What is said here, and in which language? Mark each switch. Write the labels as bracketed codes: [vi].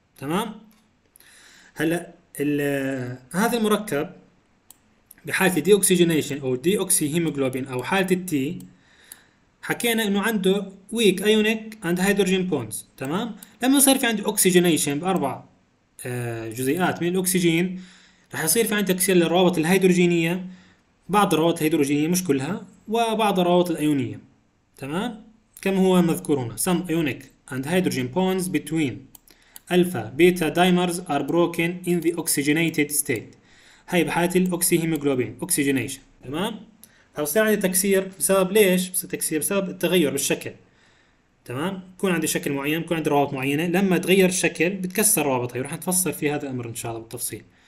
[ar] تمام، هلا هذا المركب بحاله دي اوكسجينيشن او دي اوكسي هيموجلوبين او حاله التي حكينا انه عنده [en] Weak ionic and hydrogen bonds. [ar] تمام، لما يصير في عندي اوكسجينيشن باربع جزيئات من الاكسجين راح يصير في عندي تكسير للروابط الهيدروجينيه، بعض الروابط الهيدروجينيه مش كلها، وبعض الروابط الايونيه. تمام، كما هو مذكور هنا، [en] some ionic and hydrogen bonds between alpha beta dimers are broken in the oxygenated state. [ar] هاي بحاله الاوكسي هيموجلوبين اوكسجينيشن. تمام، فبصير عندي تكسير بسبب ليش؟ بصير تكسير بسبب التغير بالشكل. تمام، يكون عندي شكل معين، يكون عندي روابط معينه، لما تغير الشكل بتكسر روابط هاي، ورح نتفصل في هذا الامر ان شاء الله بالتفصيل.